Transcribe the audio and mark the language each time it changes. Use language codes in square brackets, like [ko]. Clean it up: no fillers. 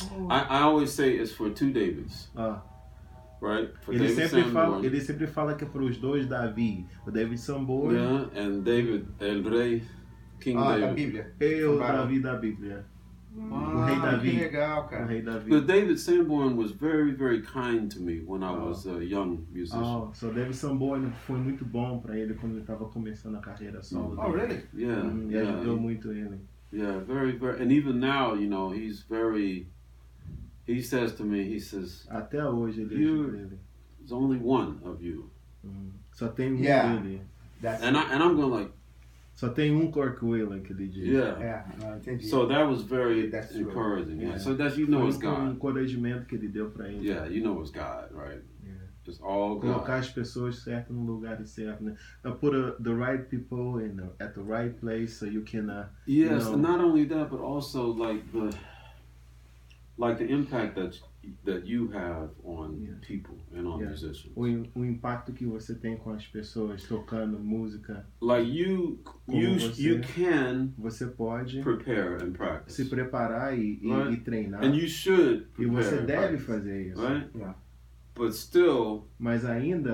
[en] I always say it's for two Davids. Right? For [pt] ele, David sempre fala, ele sempre fala que é para os dois Davi. O David Sambor. [en] Yeah, and David, [es] el rey, [en] King David. [pt] Da Bíblia. Eu, Davi da Bíblia. O rei Davi. Que legal, cara. O rei Davi. [en] But David Sanborn was very, very kind to me when I was a young musician. [pt] Oh, so David Sanborn foi muito bom para ele quando ele estava começando a carreira solo. [en] Oh, really? Yeah. [pt] Ajudou muito ele. [en] Yeah, very, very. And even now, you know, he's very. He says to me, he says. [pt] Até hoje ele diz para ele. [en] There's only one of you. [pt] Só tem um dele. [en] That's and I'm going like. [pt] Só tem Kirk Whalen que ele diz. [en] Yeah. So that was very encouraging. Yeah. So that you know it's God. [pt] Um encorajamento que ele deu para ele. [en] Yeah, you know it's God, right? Just all God. [pt] Colocar as pessoas certas no lugar certo, né? [en] Put the right people in at the right place so you can. Yes, you know, not only that, but also like the impact that you have on people and on musicians. [pt] O impacto que você tem com as pessoas tocando música. [en] Like you can. [pt] Você pode [en] prepare and practice. [pt] Se preparar e treinar. [en] And you should. [pt] E você deve fazer isso. [en] Right? But still, [pt] mas ainda,